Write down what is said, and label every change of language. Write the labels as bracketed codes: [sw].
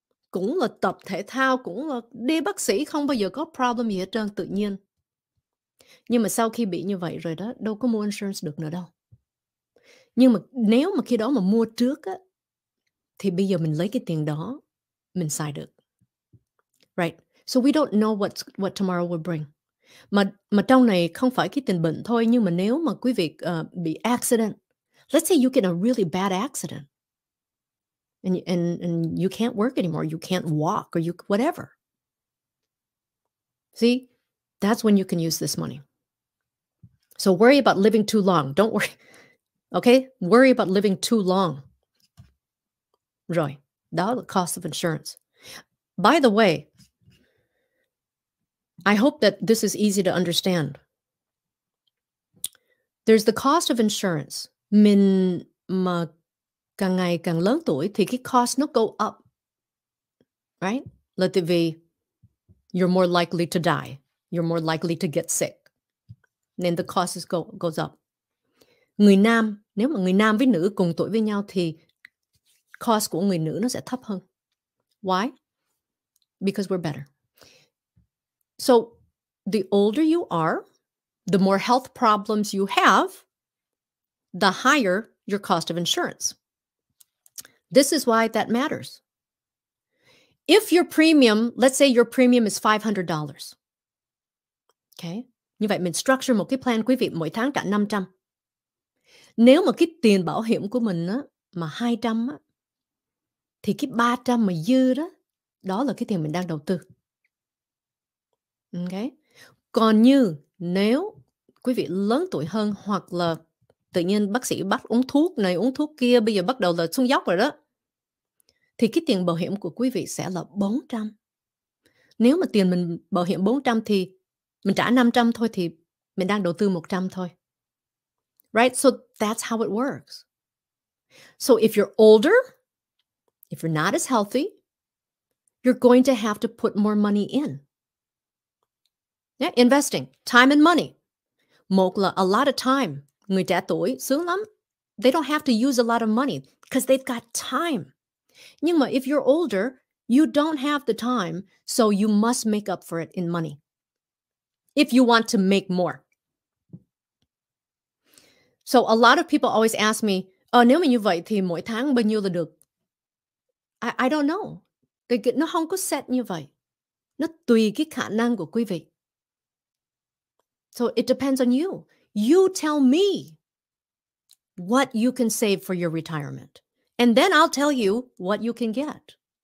[vi] Cũng là tập thể thao, cũng là đi bác sĩ, không bao giờ có problem gì hết trơn, tự nhiên. Nhưng mà sau khi bị như vậy rồi đó, đâu có mua insurance được nữa đâu. Nhưng mà nếu mà khi đó mà mua trước á, thì bây giờ mình lấy cái tiền đó, mình xài được. [en] Right. So we don't know what tomorrow will bring. [vi] Mà trong này không phải cái tình bệnh thôi, nhưng mà nếu mà quý vị bị accident, [en] let's say you get a really bad accident, and you can't work anymore, you can't walk, or you whatever. See? That's when you can use this money. So worry about living too long. Don't worry. Okay? Worry about living too long. [vi] Rồi. Đó là cost of insurance. [en] By the way, I hope that this is easy to understand. There's the cost of insurance. [vi] Mình mà càng ngày càng lớn tuổi thì cái cost nó [en] go up. Right? [vi] Là tại vì [en] you're more likely to die. You're more likely to get sick. Then the cost goes up. [vi] Người nam, nếu mà người nam với nữ cùng tuổi với nhau thì cost của người nữ nó sẽ thấp hơn. [en] Why? Because we're better. So the older you are, the more health problems you have, the higher your cost of insurance. This is why that matters. If your premium, let's say your premium is $500. Okay. [vi] Như vậy mình structure một cái plan, quý vị mỗi tháng trả 500. Nếu mà cái tiền bảo hiểm của mình á, mà 200 á, thì cái 300 mà dư đó, đó là cái tiền mình đang đầu tư. [en] Okay. [vi] Còn như nếu quý vị lớn tuổi hơn hoặc là tự nhiên bác sĩ bắt uống thuốc này uống thuốc kia, bây giờ bắt đầu là xuống dốc rồi đó, thì cái tiền bảo hiểm của quý vị sẽ là 400. Nếu mà tiền mình bảo hiểm 400 thì mình trả 500 thôi thì mình đang đầu tư 100 thôi. [en] Right? So that's how it works. So if you're older, if you're not as healthy, you're going to have to put more money in. Yeah, investing. Time and money. [vi] Một là [en] a lot of time. [vi] Người trẻ tuổi, sướng lắm. [en] They don't have to use a lot of money because they've got time. [vi] Nhưng mà [en] if you're older, you don't have the time, so you must make up for it in money. If you want to make more. So a lot of people always ask me, [vi] nếu mà như vậy thì mỗi tháng bao nhiêu là được? [en] I don't know. [vi] Nó không có set như vậy. Nó tùy cái khả năng của quý vị. [en] So it depends on you. You tell me what you can save for your retirement. And then I'll tell you what you can get.